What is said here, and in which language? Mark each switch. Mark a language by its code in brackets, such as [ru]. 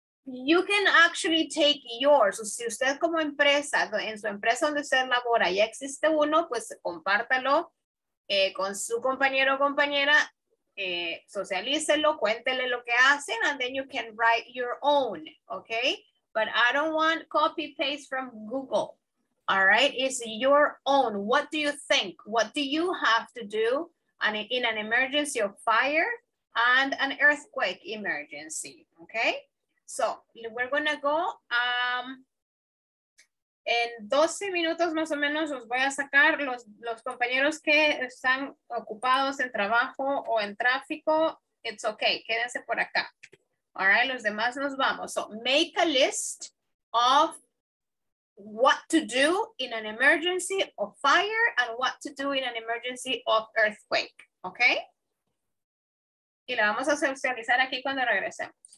[en] You can actually take yours. [es] Si usted como empresa, en su empresa donde usted labora, ya existe uno, pues compártalo con su compañero o compañera, socialícelo, cuéntele lo que hacen, [en] and then you can write your own, okay? But I don't want copy-paste from Google. All right, it's your own. What do you think? What do you have to do in an emergency of fire and an earthquake emergency? Okay, so we're gonna go. [es] En 12 minutos más o menos os voy a sacar los compañeros que están ocupados en trabajo o en tráfico. [en] It's okay, [es] quédense por acá. All right, los demás nos vamos. [en] So make a list of what to do in an emergency of fire and what to do in an emergency of earthquake, okay? [es] Y la vamos a socializar aquí cuando regresemos.